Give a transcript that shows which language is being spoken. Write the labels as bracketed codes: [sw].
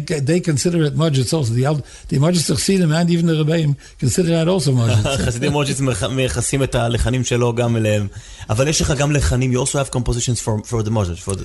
[en] They consider it מוז'יץ also. The מוז'יץ חסידים, and even the רבים, consider it also מוז'יץ. [he] חסידים מוז'יץ מייחסים את הלחנים שלו גם אליהם. אבל יש לך גם לחנים, [en] you also have compositions for the מוז'יץ.